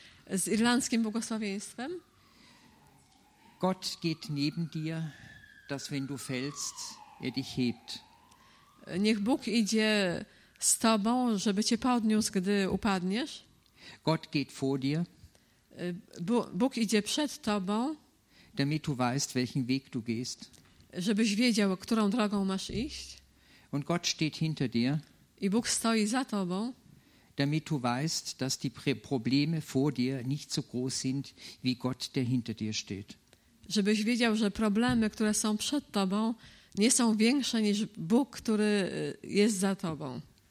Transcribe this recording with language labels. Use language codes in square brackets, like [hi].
[pl] Z irlandzkim błogosławieństwem. [de] Gott geht neben dir, dass wenn du fällst, dich hebt. [pl] Niech Bóg idzie z tobą, żeby cię podniósł, gdy upadniesz. [de] Gott geht vor dir. [pl] Bóg idzie przed tobą. [de] Damit du weißt, welchen Weg du gehst. [pl] Żebyś wiedział, którą drogą masz iść. [de] Und Gott steht hinter dir. [pl] I Bóg stoi za tobą. [de] Damit du weißt, dass die Probleme vor dir nicht so groß sind, wie Gott, der hinter dir steht. [pl] Żebyś wiedział, że problemy, które są przed tobą, nie są większe niż Bóg, który jest za tobą.